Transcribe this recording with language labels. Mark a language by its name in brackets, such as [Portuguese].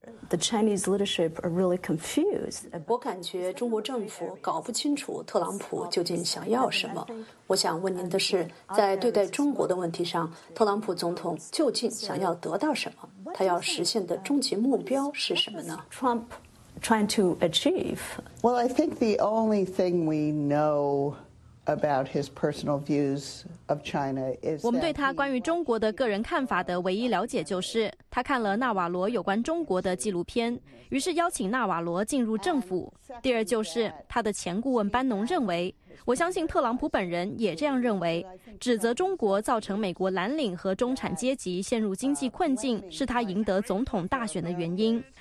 [English] The Chinese leadership are really confused. [Chinese] 我感觉中国政府搞不清楚特朗普究竟想要什么。我想问您的是，在对待中国的问题上，特朗普总统究竟想要得到什么？他要实现的终极目标是什么呢 [English] ？Trump trying to achieve? Well, I think the only thing we know. About his personal views of China is [Chinese] 我们对他关于中国的个人看法的唯一了解就是他看了纳瓦罗有关中国的纪录片，于是邀请纳瓦罗进入政府。第二就是他的前顾问班农认为，我相信特朗普本人也这样认为，指责中国造成美国蓝领和中产阶级陷入经济困境是他赢得总统大选的原因。